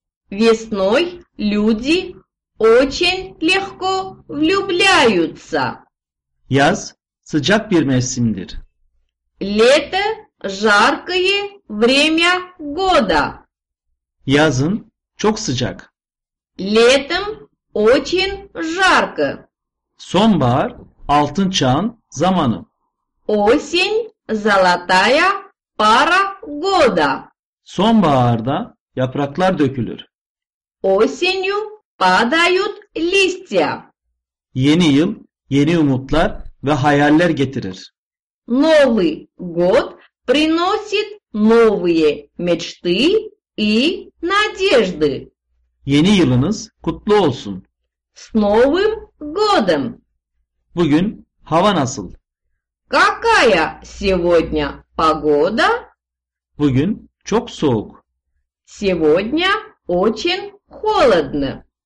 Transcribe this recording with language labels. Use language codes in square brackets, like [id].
[ru] Весной люди очень легко влюбляются. [tr] Yaz sıcak bir mevsimdir. [ru] Лето жаркое время года. [tr] Yazın çok sıcak. [ru] Летом очень жарко. [tr] Sonbahar altın çağın zamanı. [ru] Осень золотая пора года. [tr] Sonbaharda yapraklar dökülür. [ru] Осенью падают листья. [tr] Yeni yıl yeni umutlar ve hayaller getirir. [ru] Новый год приносит новые мечты и надежды. [tr] Yeni yılınız kutlu olsun. [ru] С Новым годом! [tr] Bugün hava nasıl? [ru] Какая сегодня погода? [tr] Bugün çok soğuk. [ru] Сегодня очень холодно.